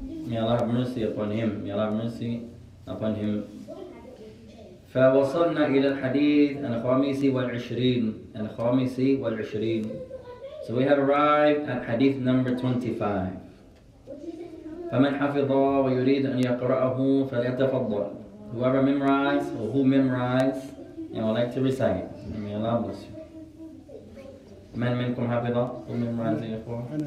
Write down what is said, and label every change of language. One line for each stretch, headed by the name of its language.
English: May Allah have mercy upon him.
Arabic: فوصلنا إلى الحديث الخامس والعشرين
English: So we have arrived at hadith number 25.
Arabic: فمن حفظ ويريد أن يقرأه فليتفضل.
English: Whoever memorized or who memorized and would like to recite, may Allah bless you.
Arabic: من منكم حفظ
English: who memorized it for?